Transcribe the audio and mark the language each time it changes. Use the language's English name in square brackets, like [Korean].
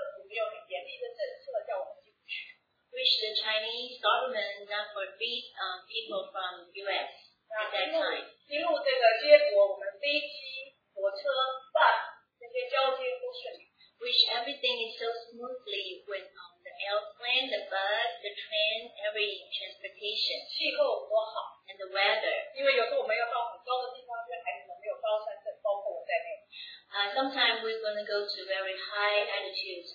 [English] Which the Chinese government not forbid people from U.S. at that time. [Chinese] 因为这个接驳我们飞机、火车、bus这些交接都顺利。 [English] Which everything is so smoothly with the airplane, the bus, the train, every transportation. [Chinese] 气候多好。 [English] And the weather. [Chinese] 因为有时候我们要到很高的地方，因为孩子们没有高山症，包括我在内。 [English] Sometimes we're going to go to very high altitudes.